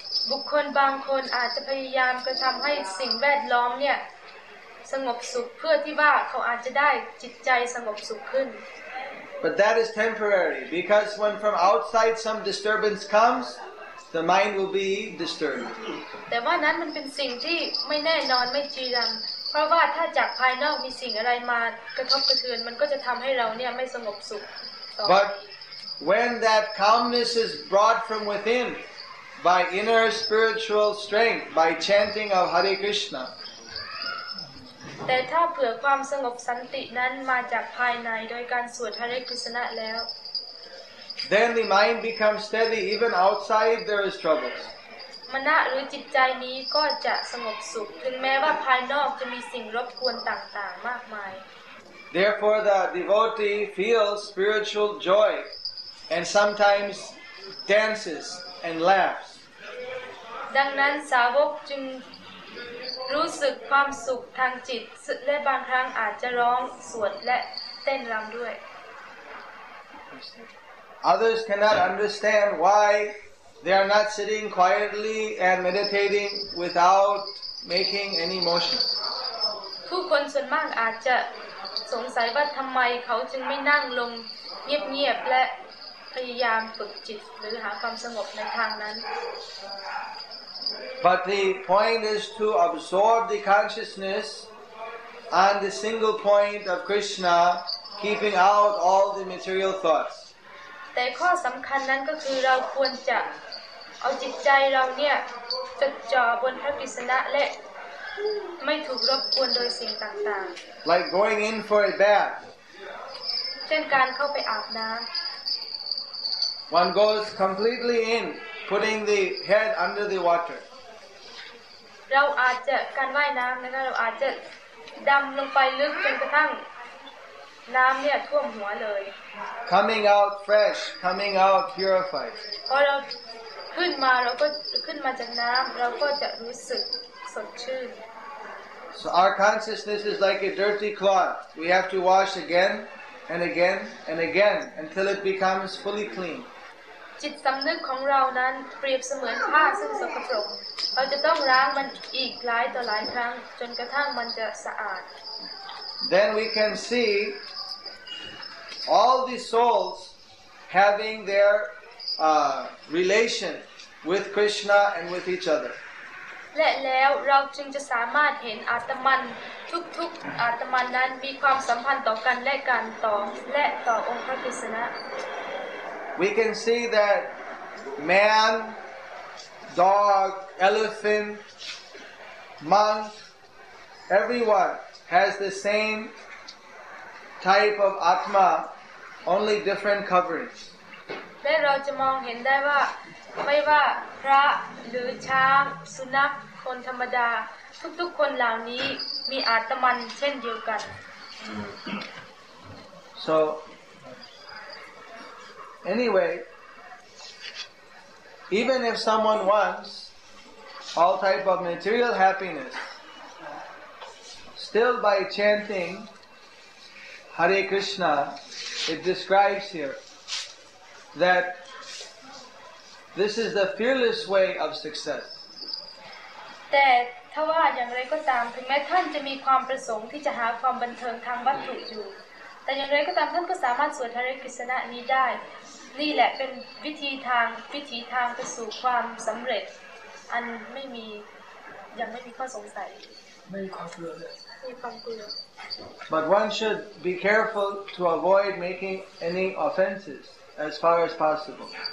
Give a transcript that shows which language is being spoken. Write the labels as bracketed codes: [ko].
[th] บุคคลบางคนอาจจะพยายามกระทําให้สิ่งแวดล้อมเนี่ยสงบสุขเพื่อที่ว่าเขาอาจจะได้จิตใจสงบสุขขึ้น [en] But that is temporary because when from outside some disturbance comes the mind will be disturbed [th] แต่ว่านั้นมันเป็นสิ่งที่ไม่แน่นอนไม่จริงเพราะว่าถ้าจากภายนอกมีสิ่งอะไรมากระทบกระเทือนมันก็จะทําให้เราเนี่ยไม่สงบสุข [en] But when that calmness is brought from within by inner spiritual strength by chanting of Hare Krishna. [th] แต่ถ้าเผื่อความสงบสันตินั้นมาจากภายในโดยการสวดฮริคริสนะแล้ว [en] Then the mind becomes steady even outside there is troubles. [th] มนะหรือจิตใจนี้ก็จะสงบสุขถึงแม้ว่าภายนอกจะมีสิ่งรบกวนต่างๆมากมาย [en] Therefore, the devotee feels spiritual joy and sometimes dances and laughs. [th] ดังนั้นสาวกจึงรู้สึกความสุขทางจิตและบางครั้งอาจจะร้องสวดและเต้นรำด้วย [en] Others cannot understand why they are not sitting quietly and meditating without making any motion. [th] ผู้คนส่วนมากอาจจะสงสัยว่าทำไมเขาจึงไม่นั่งลงเงียบๆและพยายามฝึกจิตหรือหาความสงบในทางนั้น [en] But the point is to absorb the consciousness on the single point of Krishna keeping out all the material thoughts [th] แต่ข้อสำคัญนั้นก็คือเราควรจะเอาจิตใจเราเนี่ยจดจ่อบนพระกฤษณะและไม่ถูกรบกวนโดยสิ่งต่างๆ [en] Like going in for a bath [th] เช่นการเข้าไปอาบน้ำ [en] One goes completely in putting the head under the water [th] เราอาจจะการว่ายน้ำนะคะเราอาจจะดำลงไปลึกจนกระทั่งน้ำเนี่ยท่วมหัวเลย [en] Coming out fresh coming out purified [th] พอเราขึ้นมาเราก็ขึ้นมาจากน้ำเราก็จะรู้สึกสดชื่น [en] So our consciousness is like a dirty cloth. We have to wash again and again and again until it becomes fully clean. [th] จิตสำนึกของเรานั้นเปรียบเสมือนผ้าซึ่งสกปรกเราจะต้องล้างมันอีกหลายต่อหลายครั้งจนกระทั่งมันจะสะอาด [en] Then we can see all the souls having their relation with Krishna and with each other. [th] และแล้วเราจึงจะสามารถเห็นอาตมันทุกๆอาตมันนั้นมีความสัมพันธ์ต่อกันและกันต่อและต่อองค์พระกฤษณะ [en] We can see that man dog elephant monk everyone has the same type of atma only different coverings [th] และเราจะมองเห็นได้ว่าไม่ว่าพระหรือช้างสุนัขคนธรรมดาทุกๆคนเหล่านี้มีอาตมันเช่นเดียวกัน [en] So anyway even if someone wants all type of material happiness still by chanting Hare Krishna it describes here thatThis is the fearless way of success. [th] แต่ ถ้าว่าอย่างไรก็ตามถึงแม้ท่านจะมีความประสงค์ที่จะหาความบันเทิงทางวัตถุอยู่แต่อย่างไรก็ตามท่านก็สามารถสวดฮริกฤษณะนี้ได้นี่แหละเป็นวิธีทางวิธีทางไปสู่ความสำเร็จอันไม่มียังไม่มีข้อสงสัย ไม่ความเกลือเลย [en] But one should be careful to avoid making any offenses as far as possible.